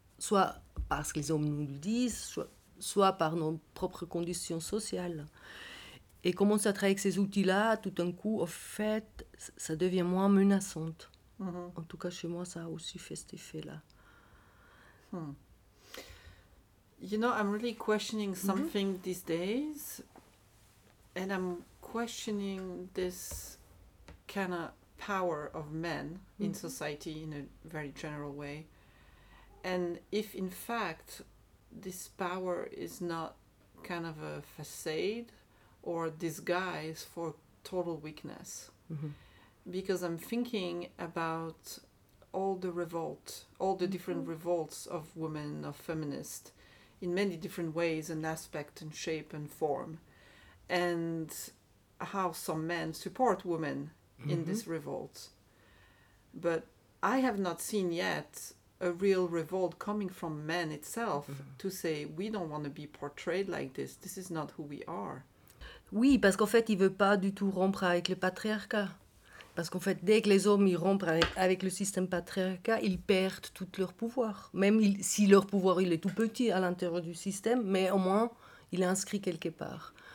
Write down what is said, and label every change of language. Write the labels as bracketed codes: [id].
[fr] Soit parce que les hommes nous le disent, soit par nos propres conditions sociales. Et commencer à travailler avec ces outils-là, tout d'un coup, en fait, ça devient moins menaçante. Mm-hmm. En tout cas, chez moi, ça a aussi fait cet effet-là. [en] You know, I'm really questioning something these days. And I'm questioning this kind of power of men in society in a very general way. And if, in fact, this power is not kind of a facade or disguise for total weakness. Because I'm thinking about all the revolt, all the different revolts of women, of feminists, in many different ways and aspect and shape and form. And how some men support women in this revolt. But I have not seen yet a real revolt coming from men itself to say, we don't want to be portrayed like this. This is not who we are. [fr] Oui, parce qu'en fait, il ne veut pas du tout rompre avec le patriarcat. Parce qu'en fait, dès que les hommes ils rompent avec le système patriarcat, ils perdent tout leur pouvoir. Même si leur pouvoir il est tout petit à l'intérieur du système, mais au moins, il est inscrit quelque part.